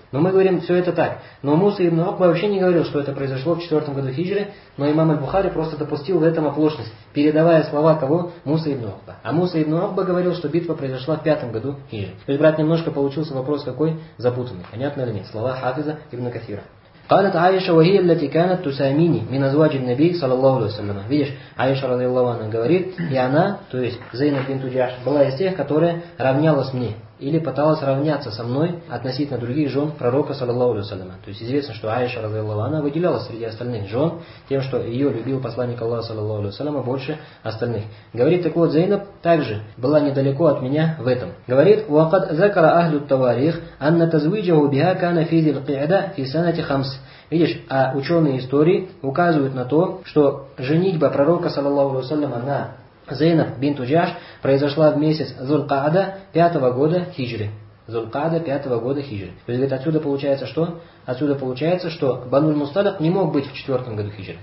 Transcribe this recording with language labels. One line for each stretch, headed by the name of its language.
Russian: Но мы говорим, все это так. Но Муса ибн Ухба вообще не говорил, что это произошло в 4-м году хиджры, но имам аль-Бухари просто допустил в этом оплошность, передавая слова кого? Муса ибн Ухба. А Муса ибн Ухба говорил, что битва произошла в 5-м году хиджры. То есть, брат, немножко получился вопрос какой? Запутанный. Понятно ли? Слова Хафиза ибн Касира.
Arabic: قالت عائشة وهي التي كانت تساميني من أزواج النبي صلى الله عليه وسلم.
Russian: Видишь, Аиша радиаллаху анха говорит, и она, то есть Зайнаб бинт Джаш, была из тех, которая равнялась мне или пыталась равняться со мной относительно других жен пророка, саллаллаху алейхи ва саллям. То есть известно, что Аиша радиаллаху анха выделялась среди остальных жен тем, что ее любил посланник Аллаха, саллаллаху алейхи ва саллям, больше остальных. Говорит, так вот, Зайнаб также была недалеко от меня в этом. Говорит,
Arabic: وَقَدْ ذَكَرَ أَهْلُ التَّوَارِيخ أَنَّ تَزْوِيجَهُ بِهَا كَانَ فِي ذِي الْقِعْدَةِ فِي سَنَةِ خَمْسِ.
Russian: Видишь, а ученые истории указывают на то, что женитьба пророка, саллаллаху алейхи ва саллям, на Зайнаб бинт Джаш произошла в месяц Зулькаада 5-го года хиджры. Зулькаада 5-го года хиджры. То есть, говорит, отсюда получается что? Отсюда получается, что Бануль Мусталих не мог быть в 4-м году хиджры.